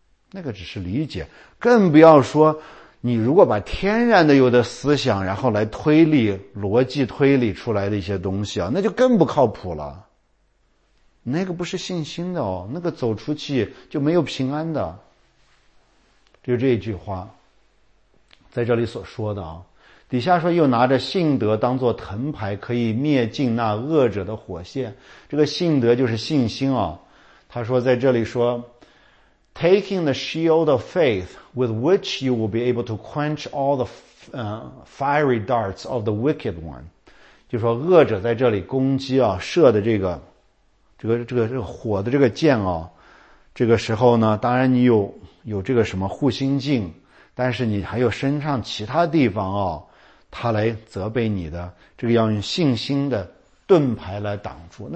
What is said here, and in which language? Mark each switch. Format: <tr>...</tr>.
<zh>那个只是理解，更不要说你如果把天然的有的思想然后来推理，逻辑推理出来的一些东西啊，那就更不靠谱了，那个不是信心的哦，那个走出去就没有平安的。就这一句话在这里所说的啊，底下说又拿着信德当作藤牌，可以灭尽那恶者的火线。这个信德就是信心啊。他说在这里说</zh> <en>,taking the shield of faith with which you will be able to quench all the fiery darts of the wicked one。</en> <zh>就说恶者在这里攻击啊，射的这个火的这个箭啊，这个时候呢，当然你有这个什么护心镜，但是你还有身上其他地方啊，他来责备你的，这个要用信心的盾牌来挡住。</zh>